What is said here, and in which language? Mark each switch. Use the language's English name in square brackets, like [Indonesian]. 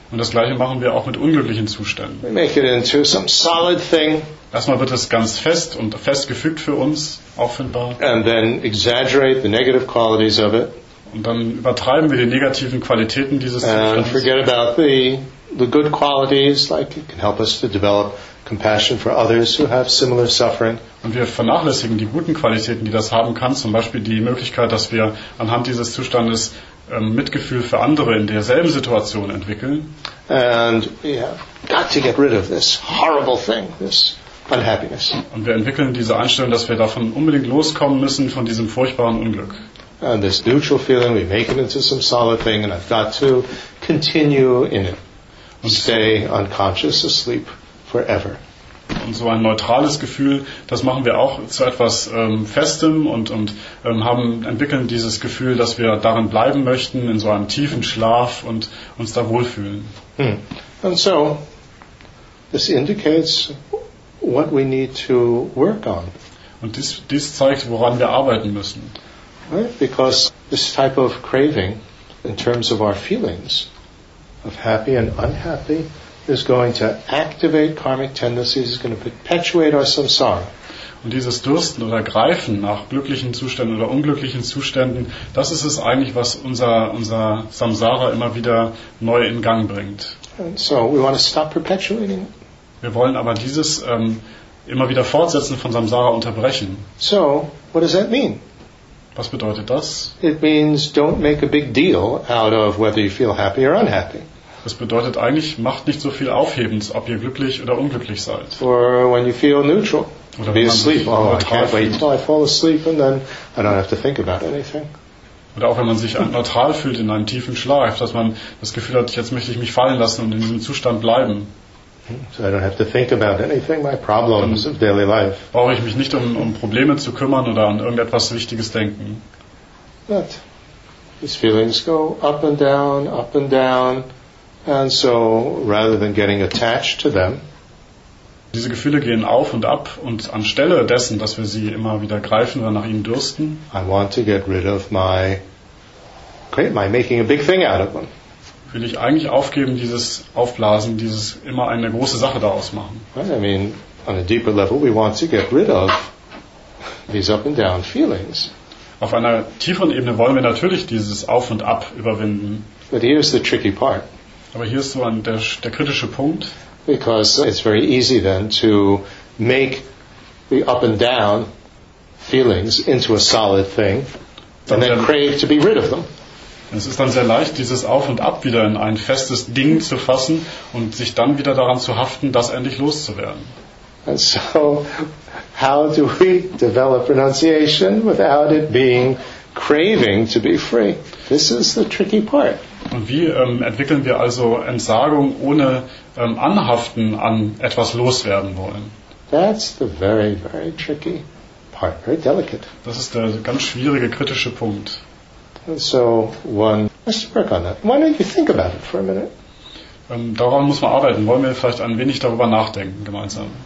[German] Und das Gleiche machen wir auch mit unglücklichen Zuständen. [English] We make it into some solid thing. [German] Erstmal wird es ganz fest und festgefügt für uns, auffindbar. [English] And then exaggerate the negative qualities of it. [German] Und dann übertreiben wir die negativen Qualitäten dieses Zustands. [English] And forget about the good qualities, like it can help us to develop compassion for others who have similar suffering. [German] Und wir vernachlässigen die guten Qualitäten, die das haben kann, zum Beispiel die Möglichkeit, dass wir anhand dieses Zustandes Mitgefühl für andere in derselben Situation entwickeln. [English] And we have got to get rid of this horrible thing, this unhappiness. [German] Und wir entwickeln diese Einstellung, dass wir davon unbedingt loskommen müssen, von diesem furchtbaren Unglück. [English] And this neutral feeling, we make it into some solid thing, and I've got to continue in it. [German] Und [English] stay unconscious, asleep forever. [German] Und so ein neutrales Gefühl, das machen wir auch zu etwas Festem entwickeln dieses Gefühl, dass wir darin bleiben möchten, in so einem tiefen Schlaf und uns da wohlfühlen. Hmm. [English] And so, this indicates what we need to work on. [German] Und dies zeigt, woran wir arbeiten müssen. [English] Right? Because this type of craving, in terms of our feelings, of happy and unhappy, is going to activate karmic tendencies, is going to perpetuate our samsara. [German] Und dieses Dürsten oder Greifen nach glücklichen Zuständen oder unglücklichen Zuständen, das ist es eigentlich, was unser Samsara immer wieder neu in Gang bringt. [English] And so we want to stop perpetuating. [German] Wir wollen aber dieses immer wieder Fortsetzen von Samsara unterbrechen. [English] So, what does that mean? [German] Was bedeutet das? [English] It means don't make a big deal out of whether you feel happy or unhappy. [German] Das bedeutet eigentlich, macht nicht so viel Aufhebens, ob ihr glücklich oder unglücklich seid. [English] Or when you feel neutral. [German] Oder wenn [English] be asleep. Oh, I can't wait until I fall asleep and then I don't have to think about anything. [German] Oder auch wenn man sich neutral fühlt in einem tiefen Schlaf, dass man das Gefühl hat, jetzt möchte ich mich fallen lassen und in diesem Zustand bleiben. [English] So I don't have to think about anything, my problems of daily life. [German] Brauche ich mich nicht um Probleme zu kümmern oder an irgendetwas Wichtiges denken. [English] But these feelings go up and down, up and down. And so, rather than getting attached to them, [German] diese Gefühle gehen auf und ab, und anstelle dessen, dass wir sie immer wieder greifen oder nach ihnen dürsten, [English] I want to get rid of my making a big thing out of them. [German] Will ich eigentlich aufgeben, dieses Aufblasen, dieses immer eine große Sache daraus machen? [English] Right, I mean, on a deeper level, we want to get rid of these up and down feelings. [German] Auf einer tieferen Ebene wollen wir natürlich dieses Auf und Ab überwinden. [English] But here's the tricky part. [German] Aber hier ist so der kritische Punkt. [English] Because it's very easy then to make the up and down feelings into a solid thing and then crave to be rid of them. [German] Es ist dann sehr leicht, dieses Auf und Ab wieder in ein festes Ding zu fassen und sich dann wieder daran zu haften, das endlich loszuwerden. [English] And so, how do we develop renunciation without it being craving to be free? This is the tricky part. [German] Und wie entwickeln wir also Entsagung ohne Anhaften an etwas loswerden wollen? [English] That's the very, very tricky part, very delicate. [German] Das ist der ganz schwierige, kritische Punkt. [English] And so one has to work on that. Why don't you think about it for a minute? [German] Daran muss man arbeiten. Wollen wir vielleicht ein wenig darüber nachdenken gemeinsam?